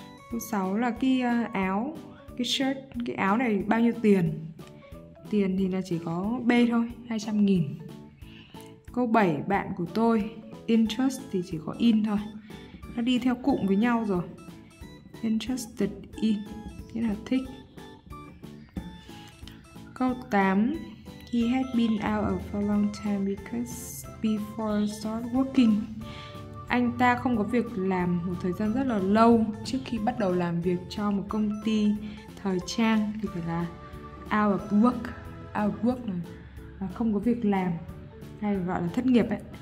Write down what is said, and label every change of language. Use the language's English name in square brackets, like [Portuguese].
[Vietnamese] Câu 6 là cái áo, cái shirt, cái áo này bao nhiêu tiền? Tiền thì là chỉ có B thôi, 200.000. Câu 7, bạn của tôi, interest thì chỉ có in thôi. Nó đi theo cụm với nhau rồi. Interested in, nghĩa là thích. Câu 8, [English] he had been out of a long time before start working. [Vietnamese] Anh ta không có việc làm một thời gian rất là lâu trước khi bắt đầu làm việc cho một công ty thời trang, thì phải là [English] out of work. [Vietnamese] Out of work là không có việc làm, hay gọi là thất nghiệp ấy.